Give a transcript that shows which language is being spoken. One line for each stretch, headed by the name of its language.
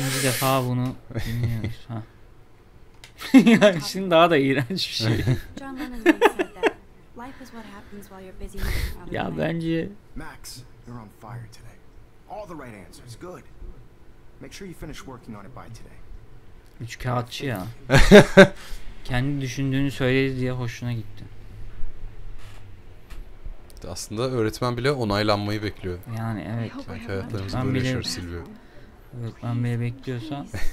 Turkish: defa bunu dinliyoruz ha. Yani şimdi daha da iğrenç bir şey.
English: Life is what happens while you're busy.
Turkish: Ya bence
English: Max, you're on fire today. All the right answers, good. Make sure you finish working on it by today.
Turkish: Üç kağıtçı ya. Kendi düşündüğünü söyledi diye hoşuna gitti. Aslında öğretmen bile onaylanmayı bekliyor. Yani evet. Belki hayatlarımızda öğreniyor Silvio. Öğretmen bile bekliyorsa.